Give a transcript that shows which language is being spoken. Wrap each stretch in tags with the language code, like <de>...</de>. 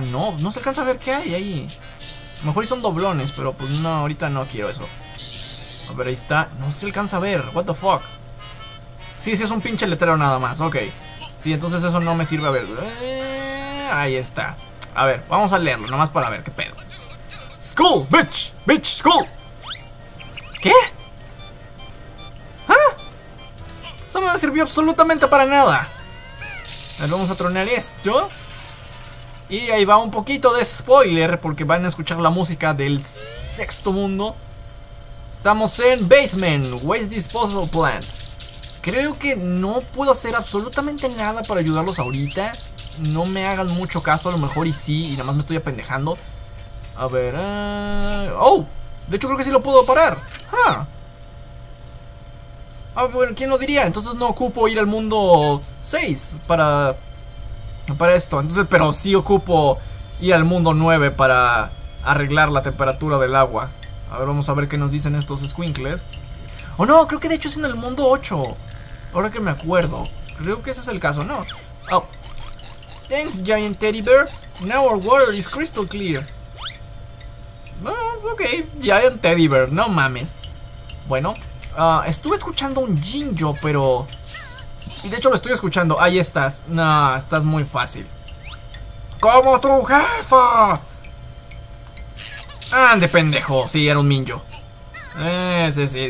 <es>No, no se alcanza a ver qué hay ahí. Mejor son doblones, pero pues no, ahorita no quiero eso. A ver, ahí está. No se alcanza a ver.</es> <en>What the fuck.</en> <es>Sí, sí, es un pinche letrero nada más. Ok. Sí, entonces eso no me sirve. A ver, ahí está. A ver, vamos a leerlo, nomás para ver qué pedo.</es> <en>School, bitch, bitch, school.</en> <es>¿Qué? ¿Ah? Eso no me sirvió absolutamente para nada. A ver, vamos a tronar esto. Y ahí va un poquito de spoiler, porque van a escuchar la música del sexto mundo. Estamos en Basement, Waste Disposal Plant. Creo que no puedo hacer absolutamente nada para ayudarlos ahorita. No me hagan mucho caso, a lo mejor y sí, y nada más me estoy apendejando. A ver, ¡oh! De hecho creo que sí lo puedo parar. ¡Ah! Ah, bueno, ¿quién lo diría? Entonces no ocupo ir al mundo 6 para esto. Entonces, pero sí ocupo ir al mundo 9 para arreglar la temperatura del agua. A ver, vamos a ver qué nos dicen estos squinkles. Oh no, creo que de hecho es en el mundo 8. Ahora que me acuerdo. Creo que ese es el caso, ¿no? Oh.</es> <en>Thanks, giant teddy bear. Now our water is crystal clear. Ok, giant teddy bear,</en> <es>no mames. Bueno, estuve escuchando un Jinjo, pero... Y de hecho lo estoy escuchando. Ahí estás. No, estás muy fácil. ¡Como tu jefa! ¡Ande, pendejo! Sí, era un Minjo. Sí, sí.</es>